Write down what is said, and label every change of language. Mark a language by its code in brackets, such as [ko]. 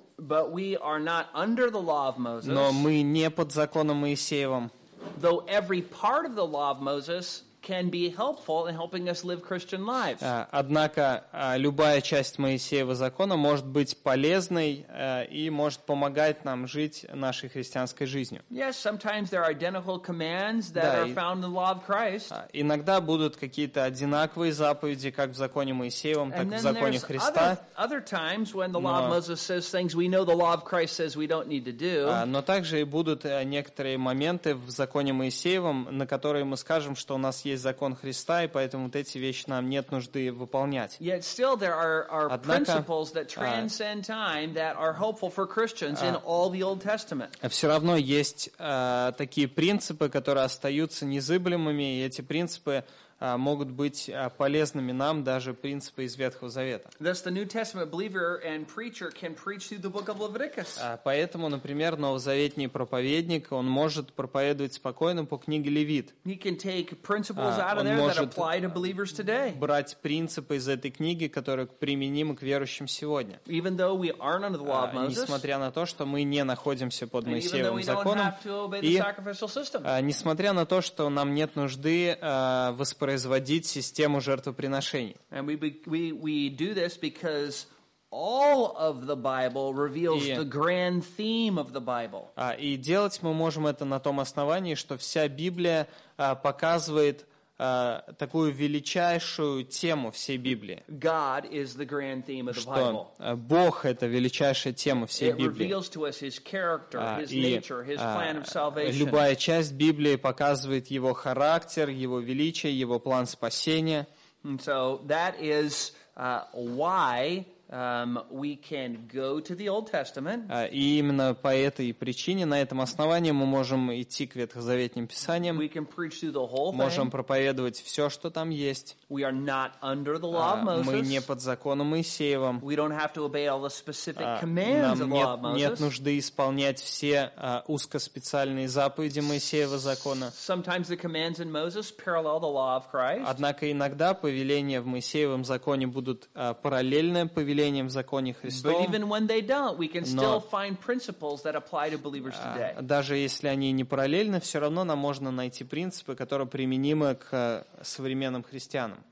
[en] But we are not under the law of Moses. [ru] Но мы не под законом Моисеевым. [en] Though every part of the law of Moses can be helpful in helping us live Christian lives. [ru] Однако любая часть Моисеева закона может быть полезной и может помогать нам жить нашей христианской жизнью. [en] Yes, sometimes there are identical commands that are found in the law of Christ. [ru] Иногда будут какие-то одинаковые заповеди, как в законе Моисеевом, так и в законе Христа. [en] And then there's other times when the law of Moses says things we know the law of Christ says we don't need to do. [ru] Но также и будут некоторые моменты в законе Моисеевом, на которые мы скажем, что у нас есть закон Христа, и поэтому вот эти вещи нам нет нужды выполнять. [en] Yet still there are principles that transcend time that are helpful for Christians in all the Old Testament. [ru] Все равно есть такие принципы, которые остаются незыблемыми, и эти принципы могут быть полезными нам, даже принципы из Ветхого Завета. [en] Thus the New Testament believer and preacher can preach through the book of Leviticus. [ru] Поэтому, например, новозаветний проповедник, он может проповедовать спокойно по книге Левит. [en] He can take principles out of there that apply to believers today. [ru] Брать принципы из этой книги, которые применимы к верующим сегодня. [en] Even though we aren't under the law of Moses. [ru] Несмотря на то, что мы не находимся под Моисеевым законом. [en] And even though we don't have to obey the sacrificial system. [ru] Несмотря на то, что нам нет нужды воспроизводить воспроизводить систему жертвоприношений. [en] And we do this because all of the Bible reveals the grand theme of the Bible. [ru] И делать мы можем это на том основании, что вся Библия показывает такую величайшую тему всей Библии. [en] God is the grand theme of the Bible. [ru] Что Бог — это величайшая тема всей Библии. [en] It reveals to us His character, His nature, His plan of salvation. [ru] Любая часть Библии показывает Его характер, Его величие, Его план спасения. [en] And so that is why we can go to the Old Testament. [ru] И именно по этой причине, на этом основании, мы можем идти к Ветхозаветным Писаниям. [en] We can preach through the whole thing. [ru] Можем проповедовать все, что там есть. [en] We are not under the law of Moses. [ru] Мы не под законом Моисеевым. [en] We don't have to obey all the specific commands of the law of Moses. [ru] Нет нужды исполнять все узкоспециальные заповеди Моисеева закона. [en] Sometimes the commands in Moses parallel the law of Christ. [ru] Однако иногда повеления в Моисеевом законе будут параллельны повелением в законе Христовом. Даже если они не параллельны, все равно нам можно найти принципы, которые применимы к современным христианам.